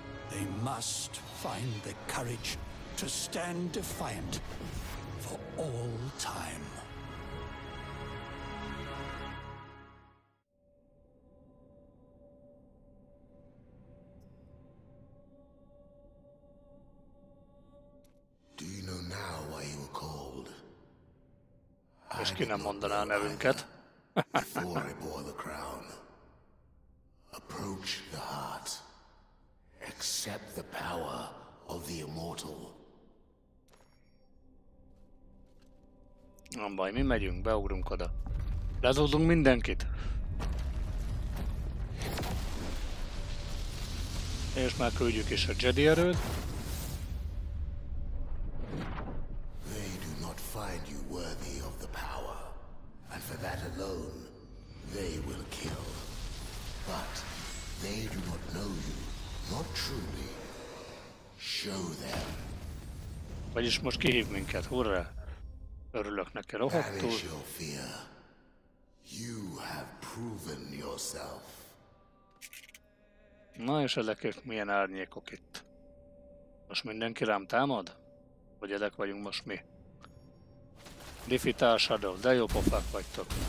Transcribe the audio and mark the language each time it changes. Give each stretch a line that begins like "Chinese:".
English: They must find the courage to stand defiant for all time. Do you know now why you were called?
Hungarian: És ki nem mondaná a nevünket?
English: Before I bore the crown, approach the heart. Accept the power of the immortal.
Hungarian: Nem baj, mi megyünk, beugrunk oda. Lezúzunk mindenkit. És már küldjük is a Jedi erőt.
English: They do not find you worthy of the power. And for that alone, they will kill. But they do not know you. Not truly. Show them.
Hungarian: Vagyis most kihív minket, hurrá! Örülök neki, rohadtul.
English: Banish your fear. You have proven yourself.
Hungarian: Na és ezek milyen árnyékok itt? Most mindenki rám támad? Vagy ezek vagyunk most mi? Defeat Shadow, de jó pofák vagytok.